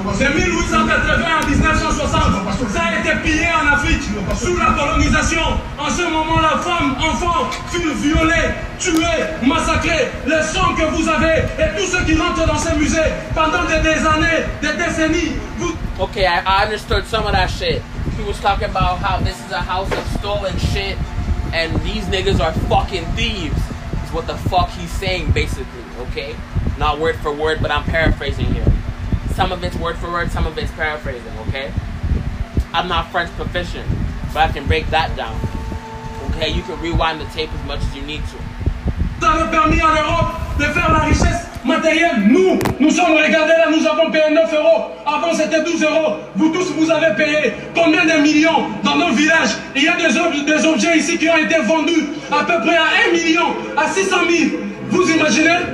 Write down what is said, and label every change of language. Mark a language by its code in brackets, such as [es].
[fr] De 1880 à 1960, ça a été pillé en Afrique sous la colonisation. En ce moment-là, femmes, enfants, filles violées, tuées, massacrées. Les sons que vous avez et tous ceux qui rentrent dans ces musées pendant des années, des décennies. Vous... [en] Okay, I understood some of that shit. He was talking about how this is a house of stolen shit and these niggas are fucking thieves. What the fuck he's saying, basically, okay? Not word for word, but I'm paraphrasing here. Some of it's word for word, some of it's paraphrasing, okay? I'm not French proficient, but I can break that down. Okay, you can rewind the tape as much as you need to. [fr] Ça a permis à l'Europe de faire la richesse matérielle. Nous sommes regardés là, nous avons payé 9 euros. Avant, c'était 12 euros. Vous tous, vous avez payé combien de millions dans nos villages? Il y a des objets ici qui ont été vendus à peu près à 1 million, à 600 000. Vous imaginez?